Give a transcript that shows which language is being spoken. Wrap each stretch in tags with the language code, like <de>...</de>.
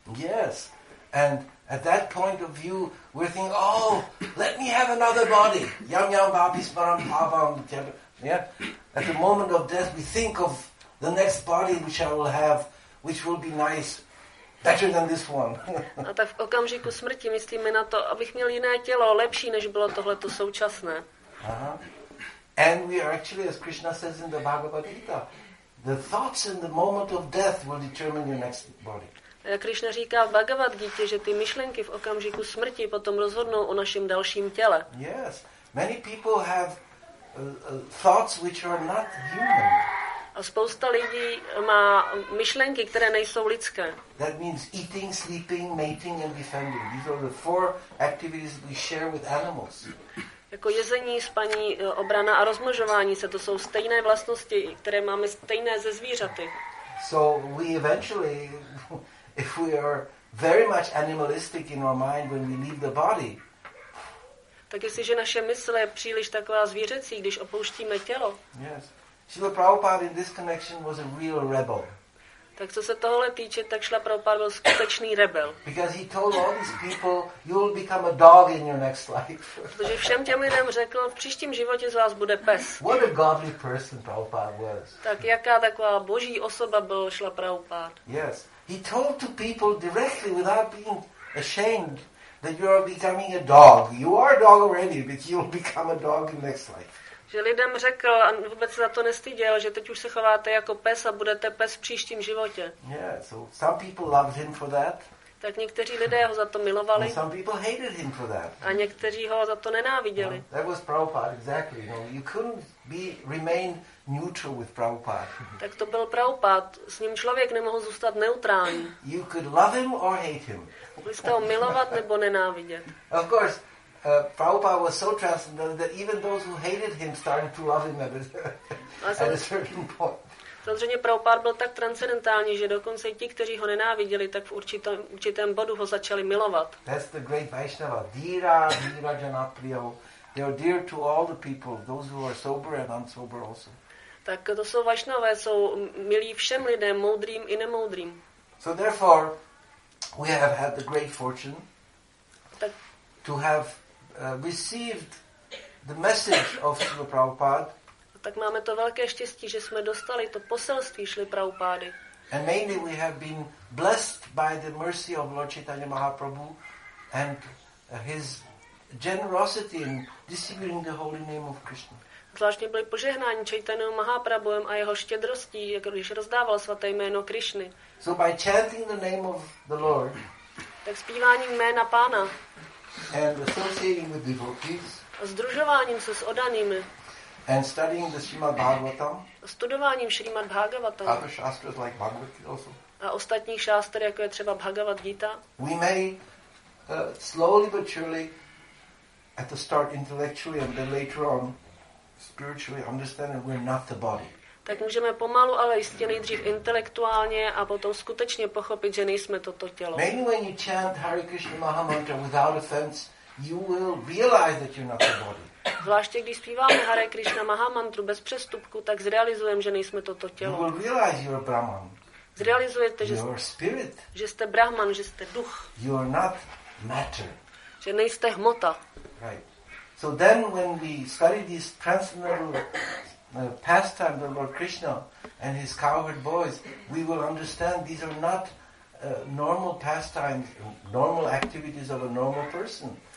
<en>Yes. And at that point of view, we think, oh, let me have another body.</en> <sa>Yam yam babis param pavam.</sa> <en>Yeah. At the moment of death, we think of the next body which I will have, which will be nice, better than this one.</en> <cs>A tak v okamžiku smrti myslíme na to, abych měl jiné tělo, lepší, než bylo tohleto současné.</cs> <en>Aha. And we are actually, as Krishna says in the Bhagavad Gita, the thoughts in the moment of death will determine your next body.</en> <cs>A Krishna říká v Bhagavad Gita, že ty myšlenky v okamžiku smrti potom rozhodnou o našem dalším těle.</cs> <en>Yes, many people have thoughts which are not human.</en> <cs>A spousta lidí má myšlenky, které nejsou lidské.</cs> <en>That means eating, sleeping, mating and defending. These are the four activities we share with animals.</en> <cs>Jako jezení, spaní, obrana a rozmnožování se, to jsou stejné vlastnosti, které máme stejné ze zvířaty.</cs> <en>So we eventually, if we are very much animalistic in our mind when we leave the body.</en> <cs>Tak jestliže naše mysl je příliš taková zvířecí, když opouštíme tělo.</cs> <en>Yes. Srila Prabhupada in this connection was a real rebel.</en> <cs>Tak co se tohle týče, tak šla Prabhupada byl skutečný rebel.</cs> <en>Because he told all these people, you will become a dog in your next life.</en> <cs>Protože všem těm lidem řekl, v příštím životě z vás bude pes.</cs> <en>What a godly person Prabhupada was.</en> <cs>Tak jaká taková boží osoba byl šla Prabhupada.</cs> <en>Yes. He told to people directly without being ashamed that you are becoming a dog. You are a dog already, but you will become a dog in next life.</en> <cs>Že lidem řekl a vůbec za to nestyděl, že teď už se chováte jako pes a budete pes v příštím životě.</cs> <en>Yeah, so some people loved him for that.</en> <cs>Tak někteří lidé ho za to milovali.</cs> <en>And some people hated him for that.</en> <cs>A někteří ho za to nenáviděli.</cs> <en>Yeah, that was Prabhupada, exactly. You know, you couldn't be remain neutral with Prabhupada.</en> <cs>Tak to byl Prabhupada. S ním člověk nemohl zůstat neutrální.</cs> <en>You could love him or hate him.</en> <cs>Mohli jste ho milovat nebo nenávidět.</cs> <en>Of course. Prabhupada was so transcendental that even those who hated him started to love him at a certain point.</en> <cs>Samozřejmě Prabhupada byl tak transcendentální, že dokonce i ti, kteří ho nenáviděli, tak v určitém bodu ho začali milovat.</cs> <en>That's the great Vaishnava,</en> <sa>Dhira, Dhira Janapriyo.</sa> <en>They are dear to all the people, those who are sober and unsober also.</en> <cs>Tak to jsou Vaishnavé, jsou milí všem lidem, moudrým i nemoudrým.</cs> <en>So therefore, we have had the great fortune to have received the message of Srila Prabhupada.</en> <cs>Tak máme to velké štěstí, že jsme dostali to poselství Srily Prabhupády.</cs> <en>And mainly we have been blessed by the mercy of Lord Chaitanya Mahaprabhu and his generosity in distributing the holy name of Krishna.</en> <cs>Zvláštně byli požehnáni Chaitanyou Mahaprabhuem a jeho štědrostí, když rozdával svaté jméno Krishny.</cs> <en>So by chanting the name of the Lord.</en> <cs>Tak zpíváním jména Pána.</cs> <en>And associating with devotees.</en> <cs>A združováním se s oddanými.</cs> <en>And studying the Srimad Bhagavatam.</en> <cs>A studováním Srimad Bhagavatam.</cs> <en>Other shastras like Bhagavad Gita also.</en> <cs>A ostatní šástry, jako je třeba Bhagavad Gita.</cs> <en>We may slowly but surely at the start intellectually and then later on spiritually understand that we're not the body.</en> <cs>Tak můžeme pomalu, ale jistě nejdřív intelektuálně a potom skutečně pochopit, že nejsme toto tělo.</cs> <en>Mainly when you chant Hare Krishna Maha Mantra without offense, you will realize that you're not the body.</en> <cs>Zvláště když zpíváme Hare Krishna Maha Mantru bez přestupku, tak zrealizujeme, že nejsme toto tělo.</cs> <en>You will realize you're Brahman.</en> <cs>Zrealizujete, že</cs> <en>you're spirit.</en> <cs>Že jste Brahman, že jste duch.</cs> <en>You are not matter.</en> <cs>Že nejste hmota.</cs> <en>Right. So then when we study these transcendental the pastime of Lord Krishna and his cowherd boys, we will understand these are not normal pastimes, normal activities of a normal person.</en>